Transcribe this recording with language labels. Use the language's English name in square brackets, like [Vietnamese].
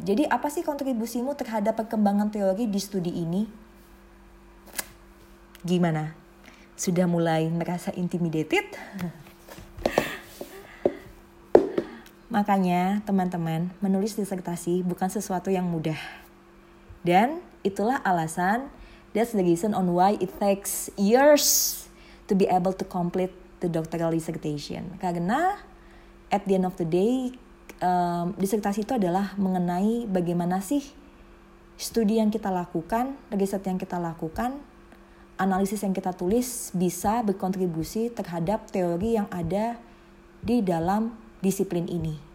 [Indonesian] Jadi apa sih kontribusimu terhadap perkembangan teori di studi ini? Gimana? Sudah mulai merasa intimidated? Makanya teman-teman, menulis disertasi bukan sesuatu yang mudah. Dan itulah alasan, [English] that's the reason on why it takes years to be able to complete the doctoral dissertation. [Indonesian] Karena [English] at the end of the day, [Indonesian] disertasi itu adalah mengenai bagaimana sih studi yang kita lakukan, riset yang kita lakukan, analisis yang kita tulis bisa berkontribusi terhadap teori yang ada di dalam disiplin ini.